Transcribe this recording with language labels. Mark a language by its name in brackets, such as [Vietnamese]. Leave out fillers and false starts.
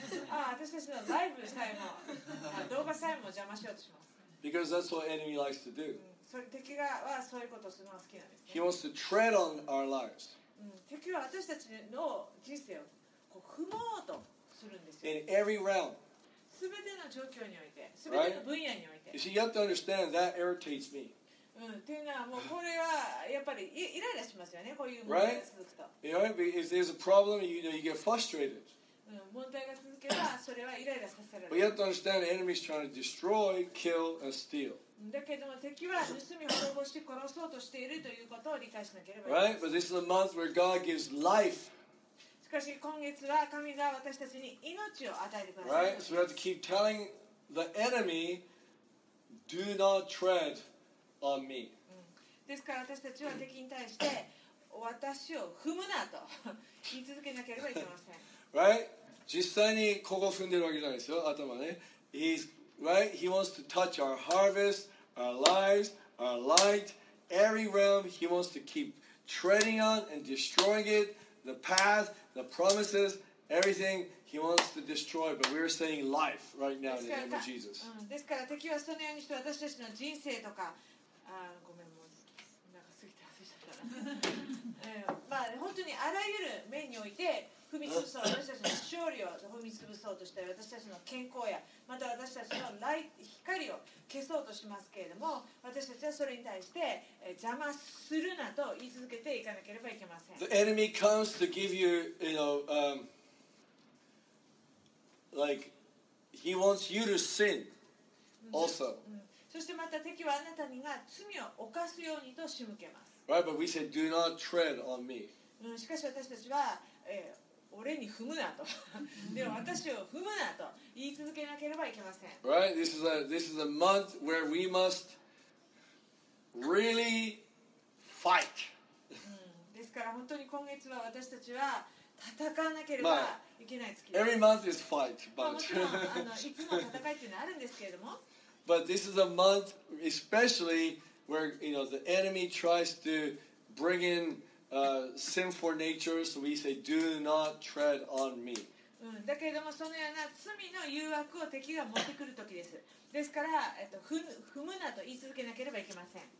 [Japanese] あ、私たちのライブさえも、動画さえも邪魔しようとします。 [English] Because that's what enemy likes to do. [Japanese] そ、敵がはそういうことをするのが好きなんです、ね。 [English] He wants to tread on our lives. [Japanese] 敵は私たちの人生をこう踏もうとするんですよ。 [English] In every realm. [Japanese] 全ての状況において、全ての分野において。 [English] Right? You see, you have to understand that irritates me. [Japanese] というのはもうこれはやっぱりイライラしますよね、こういう問題が続くと。 [English] Right? You know, if there's a problem, you know, you get frustrated. [Japanese] 問題が続けばそれはイライラさせられる。 [English] But you have to understand, the enemy is trying to destroy, kill, and steal. [Japanese] だけども敵は盗み滅ぼして殺そうとしているということを理解しなければ。 [English] Right? But this is a month where God gives life. [Japanese] しかし今月は神が私たちに命を与えてください。 [English] Right? So we have to keep telling the enemy, do not tread on me. [Japanese] ですから私たちは敵に対して私を踏むなと言い続けなければいけません。 [English] Right? [Japanese] 実際にここ踏んでるわけじゃないですよ、頭ね。 [English] He's, right? He wants to touch our harvest, our lives, our light, every realm. He wants to keep treading on and destroying it. The path, the promises, everything he wants to destroy, but we're saying life right now in the name of Jesus. [Japanese] ですから敵はそのようにして私たちの人生とか、ごめんもうなんか過ぎて忘れちゃったな。まあ本当にあらゆる面において踏み潰そう、私たちの勝利を踏み潰そうとしたり、私たちの健康やまた私たちのライ光を消そうとしますけれども、私たちはそれに対して邪魔するなと言い続けていかなければいけません。 [English] The enemy comes to give you, you know, like he wants you to sin also. [Japanese] そしてまた敵はあなたにが罪を犯すようにと仕向けます。 [English] Right, but we said, do not tread on me. [Japanese] しかし私たちは、俺に踏むなと、でも私を踏むなと言い続けなければいけません。 [English] Right, this is a month where we must really fight. [Japanese] ですから本当に今月は私たちは戦わなければいけない月です。まあ、 [English] every month is fight, but [Japanese] いつも戦いっていうのはあるんですけれども。 [English] But this is a month especially. Where you know the enemy tries to bring in sinful nature, so we say, "Do not tread on me." [Japanese] だけれどもそのような罪の誘惑を敵が持ってくる時です。ですから踏むなと言い続けなければいけません。